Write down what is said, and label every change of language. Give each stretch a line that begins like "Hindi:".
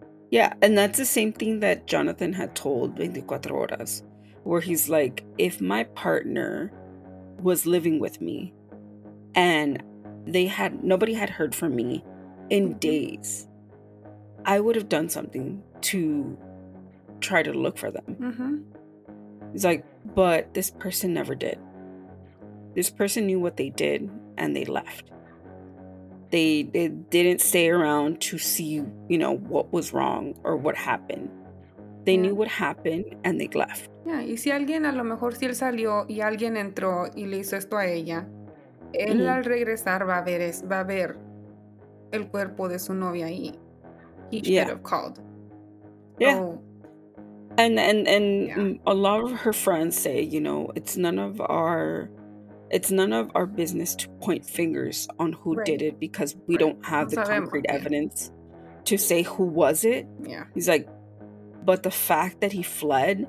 English: Yeah, and that's the same thing that Jonathan had told 24 Horas, where he's like, if my partner was living with me and nobody had heard from me in days, I would have done something to try to look for them. Mm-hmm. He's like, but this person never did. This person knew what they did and they left. They didn't stay around to see, you know, what was wrong or what happened. They knew what happened and they left.
Spanish: Yeah, y si alguien, a lo mejor si él salió y alguien entró y le hizo esto a ella, él al regresar va a ver el cuerpo de su novia ahí.
English: He should have called. Yeah. Oh. And a lot of her friends say, you know, it's none of our business to point fingers on who did it, because we don't have the concrete evidence to say who was it. Yeah. He's like, but the fact that he fled,